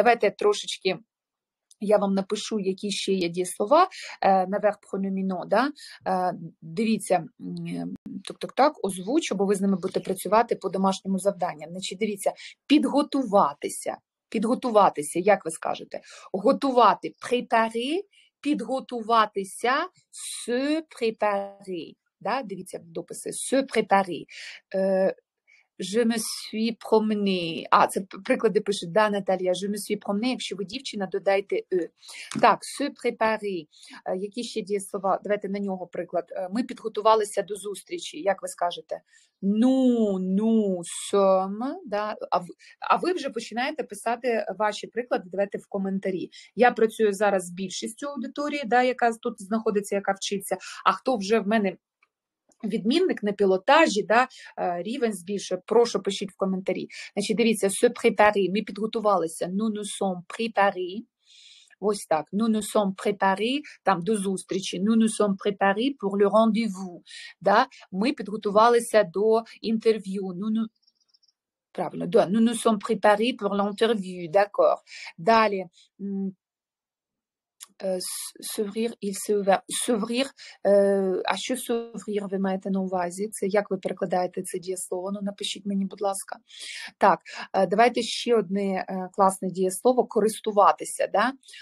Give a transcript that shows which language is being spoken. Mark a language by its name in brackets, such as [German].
[Ukrainian] Давайте трошечки я вам напишу, які ще є дієслова. Наверх пхонюміно, да? Дивіться, так, озвучу, бо ви з ними будете працювати по домашньому завданню. Значить, дивіться, підготуватися. Підготуватися, як ви скажете? Готувати, [English] prepare. [Ukrainian] Підготуватися, [French] se préparer. [Ukrainian] Да? Дивіться дописи, [French] se préparer. Je me suis promené. [Ukrainian] А, це приклади пишуть, да, Наталія, [French] je me suis promené, [Ukrainian] якщо ви дівчина, додайте e. Так, [French] se préparer. [Ukrainian] Які ще дієслова? Давайте на нього приклад. Ми підготувалися до зустрічі, як ви скажете? [French] Nous sommes. Да? [Ukrainian] А ви вже починаєте писати ваші приклади, давайте в коментарі. Я працюю зараз з більшістю аудиторії, да, яка тут знаходиться, яка вчиться. А хто вже в мене відмінник на пілотажі, да, рівень збільшує, прошу, пишіть в коментарі. Значить, дивіться, [French] se préparer, [Ukrainian] ми підготувалися, [French] nous sommes préparés, [Ukrainian] ось так, [French] nous sommes préparés, [Ukrainian] там, до зустрічі, [French] nous sommes préparés pour le rendez-vous, да, [Ukrainian] ми підготувалися до інтерв'ю, [French] nous sommes préparés pour l'interview, d'accord. [Ukrainian] Далі, «s'ouvrir», «il s'ouvrir», «s'ouvrir», а що «s'ouvrir» ви маєте на увазі? Це як ви перекладаєте це дієслово? Ну, напишіть мені, будь ласка. Так, давайте ще одне класне дієслово «користуватися», да?